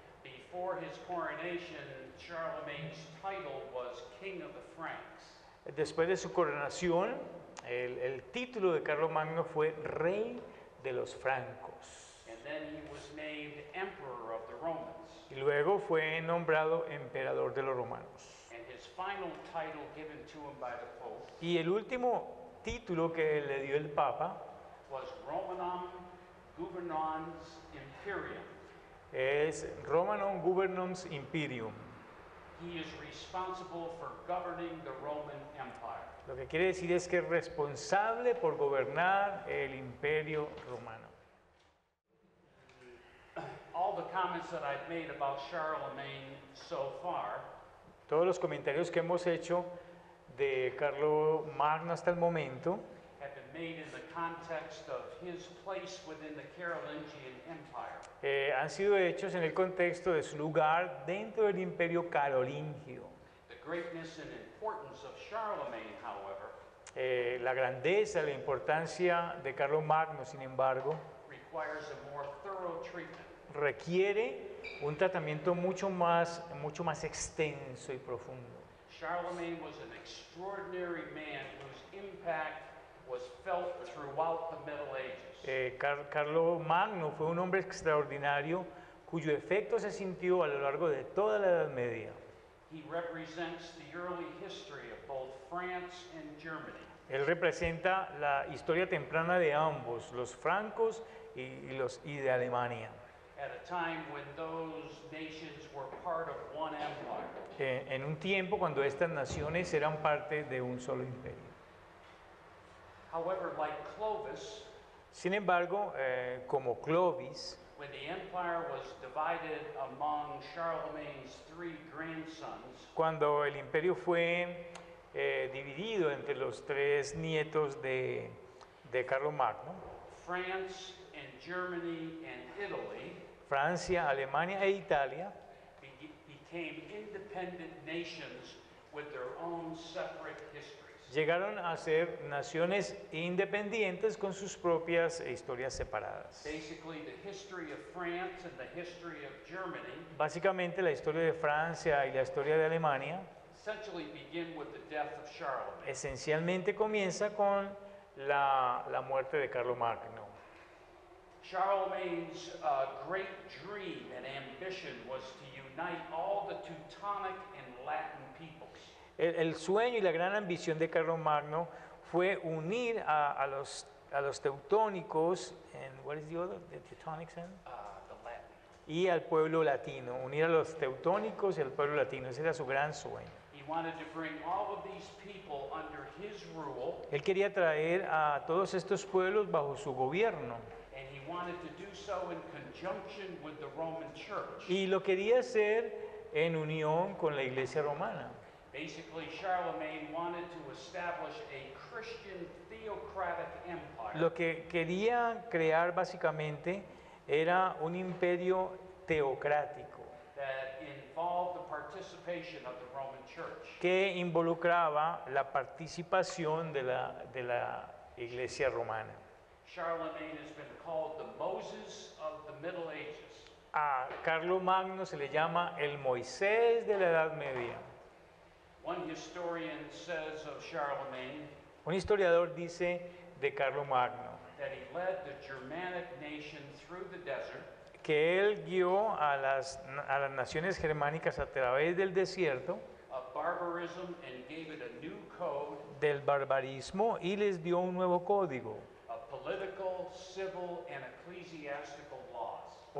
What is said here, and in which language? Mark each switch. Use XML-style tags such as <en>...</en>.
<en>Before his coronation, Charlemagne's title was King of the Franks.</en> <es>Después de su coronación, el título de Carlomagno fue Rey de los Francos.</es> <en>And then he was named Emperor of the Romans.</en> <es>Y luego fue nombrado emperador de los romanos.</es> <en>And his final title given to him by the Pope,</en> <es>y el último título que le dio el Papa</es> <en>was Romanum Gubernans Imperium.</en> <es>Es Romanum Gubernans Imperium.</es> <en>He is responsible for governing the Roman Empire.</en> <es>Lo que quiere decir es que es responsable por gobernar el Imperio Romano.</es> <en>All the comments that I've made about Charlemagne so far.</en> <es>Todos los comentarios que hemos hecho de Carlomagno hasta el momento</es> <en>have been made in the context of his place within the Carolingian Empire.</en> <es>Han sido hechos en el contexto de su lugar dentro del Imperio Carolingio.</es> <en>The greatness and importance of Charlemagne, however,</en> <es>la grandeza, la importancia de Carlomagno, sin embargo, requiere un</es> <en>more thorough treatment.</en> <es>Requiere un tratamiento mucho más extenso y profundo.</es> <en>Charlemagne was an extraordinary man whose impact was felt throughout the Middle Ages.</en> <es>Carlomagno fue un hombre extraordinario cuyo efecto se sintió a lo largo de toda la Edad Media.</es> <en>He represents the early history of both France and Germany.</en> <es>Él representa la historia temprana de ambos, los francos y de Alemania.</es> <en>At a time when those nations were part of one empire.</en> <es>En un tiempo cuando estas naciones eran parte de un solo imperio.</es> <en>However, like Clovis,</en> <es>sin embargo, como Clovis,</es> <en>when the empire was divided among Charlemagne's three grandsons,</en> <es>cuando el imperio fue dividido entre los tres nietos de Carlomagno,</es> <en>France and Germany and Italy.</en> <es>Francia, Alemania e Italia</es> <en>became independent nations with their own separate histories.</en> <es>Llegaron a ser naciones independientes con sus propias historias separadas.</es> <en>Basically, the history of France and the history of Germany.</en> <es>Básicamente, la historia de Francia y la historia de Alemania.</es> <en>Essentially, begin with the death of Charlemagne.</en> <es>Esencialmente, comienza con la muerte de Carlomagno.</es> <en>Charlemagne's great dream and ambition was to unite all the Teutonic and Latin peoples.</en> <es>El sueño y la gran ambición de Carlomagno fue unir a los teutónicos en</es> <en>what is the other the Teutonics in? The Latin.</en> <es>Y al pueblo latino, unir a los teutónicos y al pueblo latino. Ese era su gran sueño.</es> <en>He wanted to bring all of these people under his rule.</en> <es>Él quería traer a todos estos pueblos bajo su gobierno.</es> <en>And he wanted to do so in conjunction with the Roman Church.</en> <es>Y lo quería hacer en unión con la Iglesia Romana.</es> <en>Basically, Charlemagne wanted to establish a Christian theocratic empire.</en> <es>Lo que quería crear básicamente era un imperio teocrático</es> <en>that involved the participation of the Roman Church.</en> <es>Que involucraba la participación de la Iglesia Romana.</es> <en>Charlemagne has been called the Moses of the Middle Ages.</en> <es>A Carlomagno se le llama el Moisés de la Edad Media.</es> <en>One historian says of Charlemagne,</en> <es>un historiador dice de Carlomagno</es> <en>that he led the Germanic nation through the desert,</en> <es>que él guió a las naciones germánicas a través del desierto</es> <en>of barbarism and gave it a new code,</en> <es>del barbarismo y les dio un nuevo código.</es> <en>Political, civil, and ecclesiastical laws.</en>